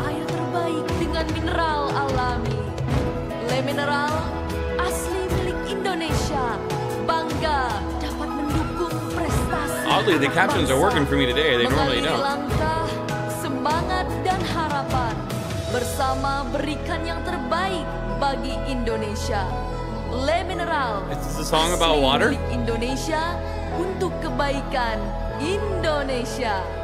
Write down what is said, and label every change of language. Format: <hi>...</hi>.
<id>Air terbaik dengan mineral alami. Le mineral asli milik Indonesia. Bangga dapat mendukung prestasi.</id> <en>Oddly, the captions are working for me today. They normally don't.</en> <id>Semangat dan harapan bersama berikan yang terbaik bagi Indonesia.</id> <en>Le mineral. Is this a song about water?</en> <id>Indonesia untuk kebaikan Indonesia.</id>